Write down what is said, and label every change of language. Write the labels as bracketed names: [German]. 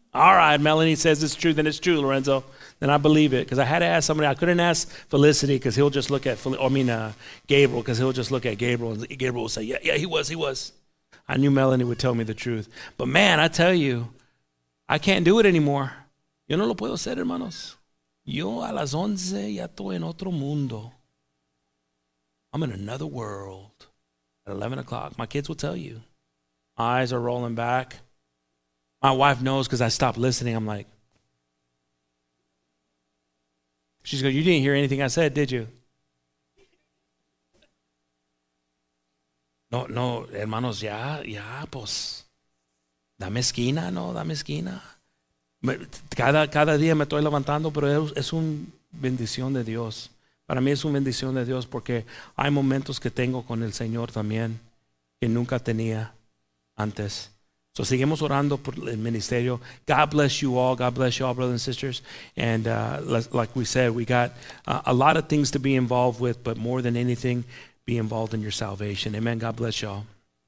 [English] All right, Melanie says it's true, then it's true, Lorenzo. Then I believe it, because I had to ask somebody. I couldn't ask Felicity, because he'll just look at Gabriel, because he'll just look at Gabriel, and Gabriel will say, yeah, he was. I knew Melanie would tell me the truth. But man, I tell you, I can't do it anymore. [Spanish] Yo no lo puedo hacer, hermanos. Yo a las 11 ya estoy en otro mundo. [English] I'm in another world at 11 o'clock. My kids will tell you. Eyes are rolling back. My wife knows because I stopped listening. I'm like, she's going, you didn't hear anything I said, did you? [Spanish] No, hermanos, ya, pues. Dame esquina, no, dame esquina. Cada día me estoy levantando, pero es una bendición de Dios. Para mí es una bendición de Dios porque hay momentos que tengo con el Señor también que nunca tenía antes. So seguimos orando por el ministerio. [English] God bless you all. God bless you all, brothers and sisters. And like we said, we got a lot of things to be involved with, but more than anything, be involved in your salvation. Amen. God bless you all.